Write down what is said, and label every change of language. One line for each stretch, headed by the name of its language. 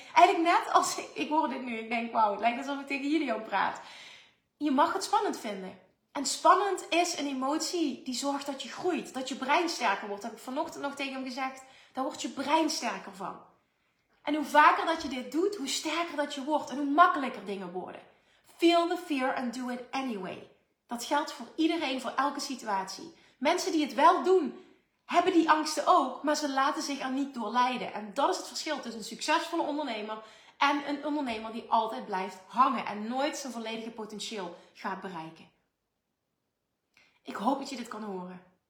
Dutch: Eigenlijk net als, ik hoor dit nu, ik denk, wauw, het lijkt alsof ik tegen jullie ook praat. Je mag het spannend vinden. En spannend is een emotie die zorgt dat je groeit, dat je brein sterker wordt. Dat heb ik vanochtend nog tegen hem gezegd. Daar wordt je brein sterker van. En hoe vaker dat je dit doet, hoe sterker dat je wordt. En hoe makkelijker dingen worden.
English: Feel the fear and do it anyway.
Dutch: Dat geldt voor iedereen, voor elke situatie. Mensen die het wel doen, hebben die angsten ook. Maar ze laten zich er niet door leiden. En dat is het verschil tussen een succesvolle ondernemer en een ondernemer die altijd blijft hangen. En nooit zijn volledige potentieel gaat bereiken. Ik hoop dat je dit kan horen.